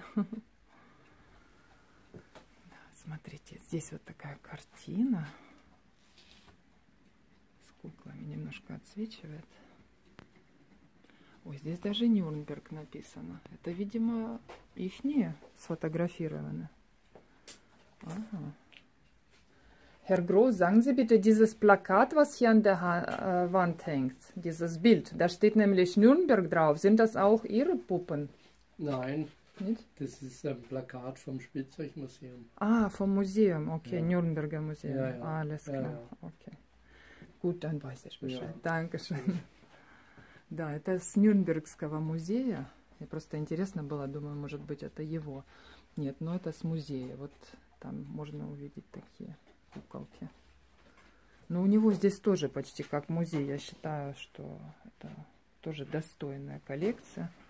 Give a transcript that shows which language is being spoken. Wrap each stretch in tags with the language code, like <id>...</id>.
<ru>Да, смотрите, здесь вот такая картина. С куклами немножко отсвечивает. Ой, здесь даже Нюрнберг написано. Это, видимо, ихние сфотографированы. Ага.</ru> <de>Herr Groß, sagen Sie bitte, dieses Plakat, was hier an der Wand hängt, dieses Bild, da steht nämlich Nürnberg drauf. Sind das auch Ihre Puppen? Nein. Nicht? Das ist ein Plakat vom Spielzeugmuseum. Ah, vom Museum, okay. Ja. Nürnberger Museum. Ja, ja. Alles klar. Ja, ja. Okay. Gut, dann weiß ich Bescheid. Ja. Dankeschön.</de> <ru>Да, это с Нюрнбергского музея. Мне просто интересно было, думаю, может быть, это его. Нет, но это с музея. Вот там можно увидеть такие куколки. Но у него здесь тоже почти как музей. Я считаю, что это тоже достойная коллекция.</ru>